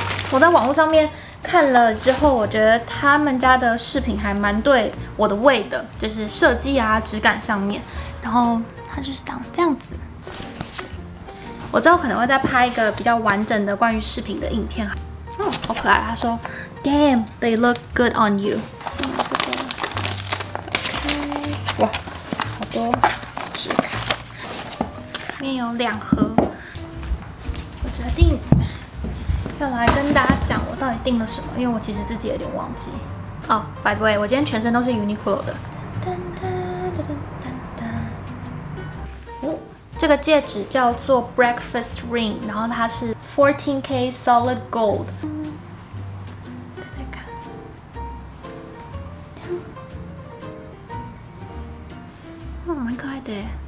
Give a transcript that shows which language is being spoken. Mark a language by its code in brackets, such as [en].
[zh] 我在网络上面看了之后，我觉得他们家的饰品还蛮对我的胃的，就是设计啊、质感上面。然后它就是长这样子。我之后可能会再拍一个比较完整的关于饰品的影片。嗯，好可爱。他说 ， [en] Damn, they look good on you。 [zh] 这个 ，OK。哇，好多质感。里面有两盒。我决定要来跟大家讲我到底订了什么，因为我其实自己有点忘记。哦、oh, ， [en] by the way， [zh] 我今天全身都是 Uniqlo 的。噔噔噔噔噔。哦，这个戒指叫做 Breakfast Ring， 然后它是 14K Solid Gold。嗯，大家看，这样，哦，蛮可爱的耶。